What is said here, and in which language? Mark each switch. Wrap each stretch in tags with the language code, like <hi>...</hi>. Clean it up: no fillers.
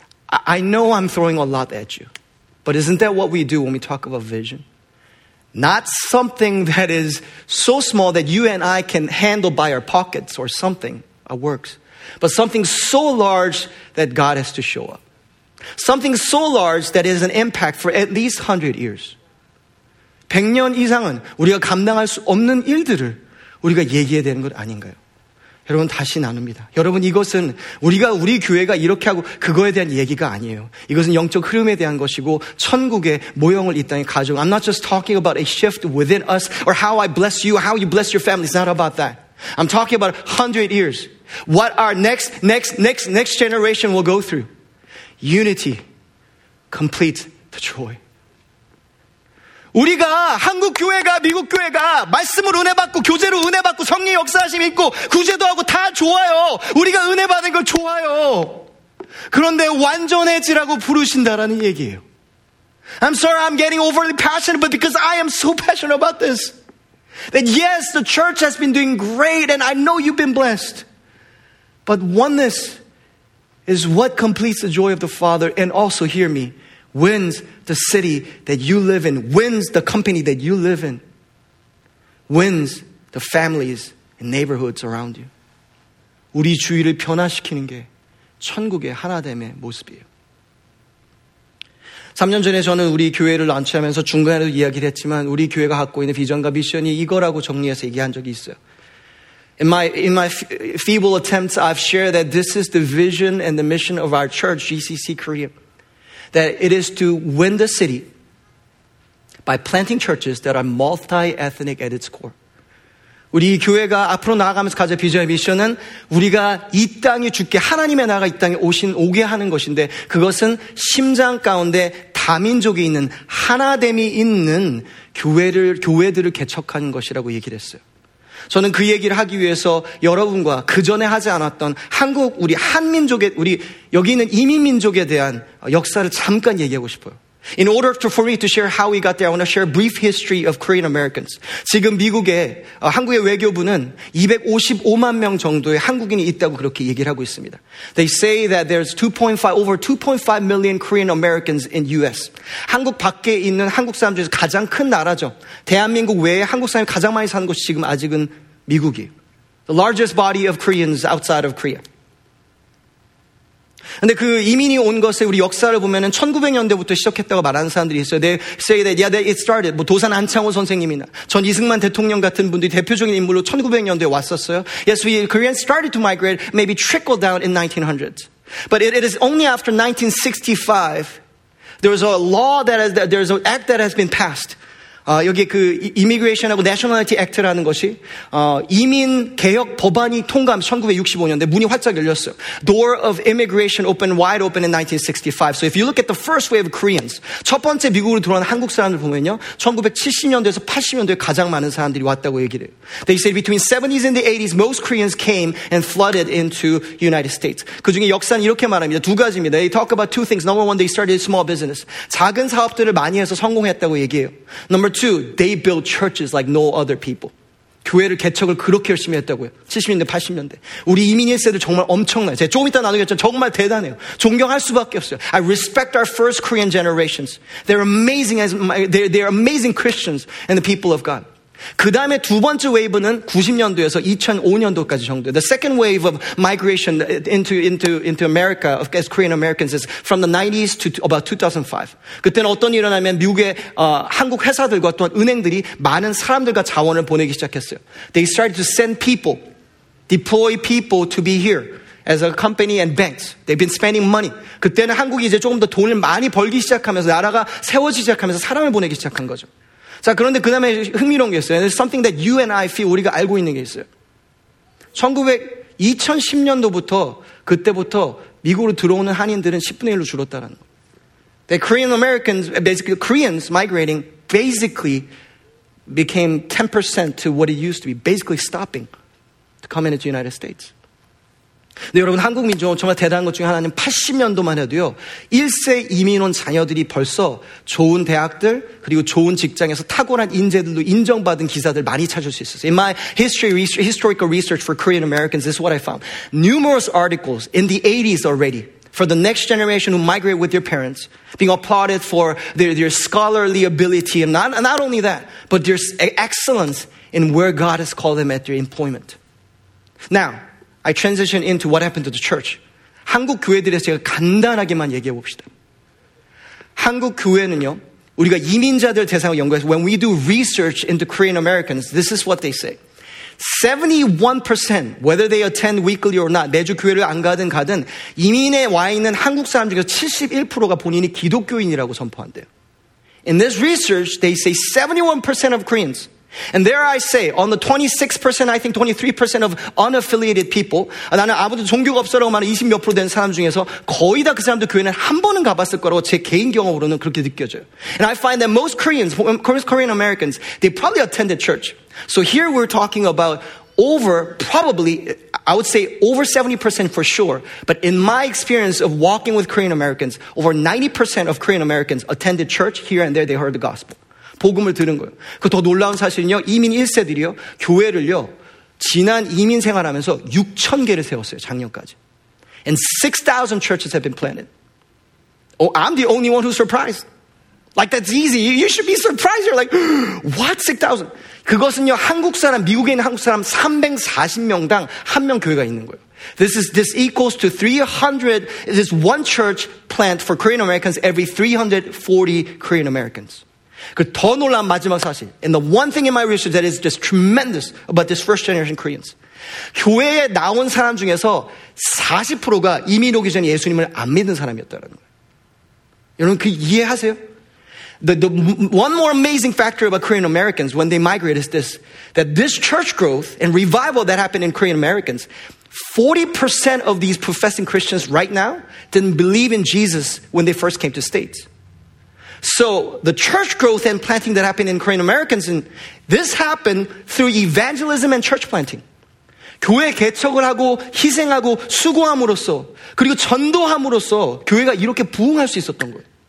<en>I know I'm throwing a lot at you, but isn't that what we do when we talk about vision? Not something that is so small that you and I can handle by our pockets or something, our works, but something so large that God has to show up. Something so large that is an impact for at least 100 years.</en> <ko>100년 이상은 우리가 감당할 수 없는 일들을 우리가 얘기해야 되는 것 아닌가요? 여러분 다시 나눕니다. 여러분 이것은 우리가 우리 교회가 이렇게 하고 그거에 대한 얘기가 아니에요. 이것은 영적 흐름에 대한 것이고 천국의 모형을 이 땅에 가져.</ko> <en>I'm not just talking about a shift within us or how I bless you, how you bless your family. It's not about that. I'm talking about 100 years. What our next generation will go through. Unity completes the joy.</en> <ko>우리가 한국 교회가 미국 교회가 말씀으로 은혜 받고 교제로 은혜 받고 성령 역사하심 있고 구제도 하고 다 좋아요. 우리가 은혜 받은 걸 좋아요. 그런데 완전해지라고 부르신다라는 얘기예요.</ko> <en>I'm sorry I'm getting overly passionate, but because I am so passionate about this. That yes, the church has been doing great and I know you've been blessed. But oneness is what completes the joy of the Father, and also, hear me, wins the city that you live in, wins the company that you live in, wins the families and neighborhoods around you.</en> <ko>우리 주위를 변화시키는 게 천국의 하나됨의 모습이에요. 3년 전에 저는 우리 교회를 런치하면서 중간에도 이야기를 했지만 우리 교회가 갖고 있는 비전과 미션이 이거라고 정리해서 얘기한 적이 있어요.</ko> <en>In my feeble attempts, I've shared that this is the vision and the mission of our church, GCC Korea. That it is to win the city by planting churches that are multi-ethnic at its core.</en> <ko>우리 교회가 앞으로 나아가면서 가져야 비전의 미션은 우리가 이 땅에 주께 하나님의 나라가 이 땅에 오게 하는 것인데 그것은 심장 가운데 다민족이 있는 하나됨이 있는 교회들을 개척하는 것이라고 얘기를 했어요. 저는 그 얘기를 하기 위해서 여러분과 그 전에 하지 않았던 한국 우리 한민족의 우리 여기 있는 이민민족에 대한 역사를 잠깐 얘기하고 싶어요.</ko> <en>In order for me to share how we got there, I want to share a brief history of Korean Americans.</en> <ko>지금 미국에 한국의 외교부는 255만 명 정도의 한국인이 있다고 그렇게 얘기를 하고 있습니다.</ko> <en>They say that there's over 2.5 million Korean Americans in US.</en> <ko>한국 밖에 있는 한국 사람 중에서 가장 큰 나라죠. 대한민국 외에 한국 사람이 가장 많이 사는 곳이 지금 아직은 미국이에요.</ko> <en>The largest body of Koreans outside of Korea.</en> <ko>근데 그 이민이 온 것의 우리 역사를 보면은 1900년대부터 시작했다고 말하는 사람들이 있어요.</ko> <en>They say that, yeah, it started.</en> <ko>뭐 도산 안창호 선생님이나 전 이승만 대통령 같은 분들이 대표적인 인물로 1900년대에 왔었어요.</ko> <en>Yes, we Koreans started to migrate, maybe trickle down in 1900s. But it is only after 1965, there's a law there's an act that has been passed.</en> <ko>여기 그 Immigration하고 Nationality Act라는 것이 이민 개혁 법안이 통과한 1965년대 문이 활짝 열렸어요.</ko> <en>Door of immigration opened wide open in 1965. So if you look at the first wave of Koreans,</en> <ko>첫 번째 미국으로 들어온 한국 사람들 보면요, 1970년대에서 80년대에 가장 많은 사람들이 왔다고 얘기를 해요.</ko> <en>They said between 70s and the 80s, most Koreans came and flooded into United States.</en> <ko>그 중에 역사는 이렇게 말합니다. 두 가지입니다.</ko> <en>They talk about two things. Number one, they started small business.</en> <ko>작은 사업들을 많이 해서 성공했다고 얘기해요.</ko> <en>Number two, they built churches like no other people.</en> <ko>교회를 개척을 그렇게 열심히 했다고요. 70년대, 80년대. 우리 이민 1세대 정말 엄청나요. 제가 조금 이따 나누겠지만 정말 대단해요. 존경할 수밖에 없어요.</ko> <en>I respect our first Korean generations. They're amazing Christians and the people of God.</en> <ko>그 다음에 두 번째 웨이브는 90년도에서 2005년도까지 정도.</ko> <en>The second wave of migration into America of Korean Americans is from the 90s to about 2005.</en> <ko>그때는 어떤 일이 일어나면 미국의 한국 회사들과 또한 은행들이 많은 사람들과 자원을 보내기 시작했어요.</ko> <en>They started to send people, deploy people to be here as a company and banks. They've been spending money.</en> <ko>그때는 한국이 이제 조금 더 돈을 많이 벌기 시작하면서 나라가 세워지기 시작하면서 사람을 보내기 시작한 거죠. 자, 그런데 그 다음에 흥미로운 게 있어요.</ko> <en>There's something that you and I feel</en> <ko>우리가 알고 있는 게 있어요. 2010년도부터 그때부터 미국으로 들어오는 한인들은 10분의 1로 줄었다는 거.</ko> <en>The Korean Americans, basically Koreans migrating basically became 10% to what it used to be, basically stopping to come into the United States.</en> <ko>네, 여러분, 한국 민족은 정말 대단한 것 중에 하나는 80년도만 해도요, 1세 이민 온 자녀들이 벌써 좋은 대학들, 그리고 좋은 직장에서 탁월한 인재들도 인정받은 기사들 많이 찾을 수 있었어요.</ko> <en>In my historical research for Korean Americans, this is what I found. Numerous articles in the 80s already for the next generation who migrate with their parents being applauded for their scholarly ability and not only that, but their excellence in where God has called them at their employment. Now, I transition into what happened to the church.</en> <ko>한국 교회들에서 제가 간단하게만 얘기해 봅시다. 한국 교회는요, 우리가 이민자들 대상으로 연구해서</ko> <en>when we do research into Korean Americans, this is what they say. 71%, whether they attend weekly or not,</en> <ko>매주 교회를 안 가든 가든 이민에 와 있는 한국 사람 중에서 71%가 본인이 기독교인이라고 선포한대요.</ko> <en>In this research, they say 71% of Koreans. And there I say, on the 26%, I think 23% of unaffiliated people,</en> <ko>나는 아무도 종교가 없어라고 말하는 20 몇 프로 된 사람 중에서 거의 다 그 사람들 교회는 한 번은 가봤을 거라고 제 개인 경험으로는 그렇게 느껴져요.</ko> <en>And I find that most Koreans, Korean Americans, they probably attended church. So here we're talking about over 70% for sure. But in my experience of walking with Korean Americans, over 90% of Korean Americans attended church here and there, they heard the gospel.</en> <ko>복음을 들은 거예요. 그 더 놀라운 사실은요, 이민 1세들이요, 교회를요, 지난 이민 생활하면서 6천 개를 세웠어요, 작년까지.</ko> <en>And 6,000 churches have been planted. Oh, I'm the only one who's surprised. Like, that's easy. You should be surprised. You're like, what? 6,000?</en> <ko>그것은요, 한국 사람, 미국에 있는 한국 사람 340명당 한 명 교회가 있는 거예요.</ko> <en>This equals to 300, it is one church plant for Korean Americans every 340 Korean Americans.</en> <ko>그 더 놀라운 마지막 사실.</ko> <en>And the one thing in my research that is just tremendous about this first generation Koreans.</en> <ko>교회에 나온 사람 중에서 40%가 이민 오기 전에 예수님을 안 믿는 사람이었다라는 거예요. 여러분 그 이해하세요?</ko> <en>The one more amazing factor about Korean Americans when they migrate is this. That this church growth and revival that happened in Korean Americans, 40% of these professing Christians right now didn't believe in Jesus when they first came to the States. So the church growth and planting that happened in Korean Americans, and this happened through evangelism and church planting.</en> <ko>교회 개척을 하고 희생하고 수고함으로써 그리고 전도함으로써 교회가 이렇게 부흥할 수 있었던 거예요.</ko>